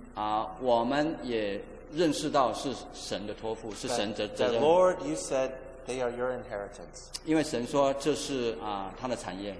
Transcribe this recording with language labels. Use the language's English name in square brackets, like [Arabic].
[Chinese] 啊，我们也认识到是神的托付，是神的责任。 [English] The Lord, you said they are your inheritance. [Chinese] 因为神说这是啊他的产业。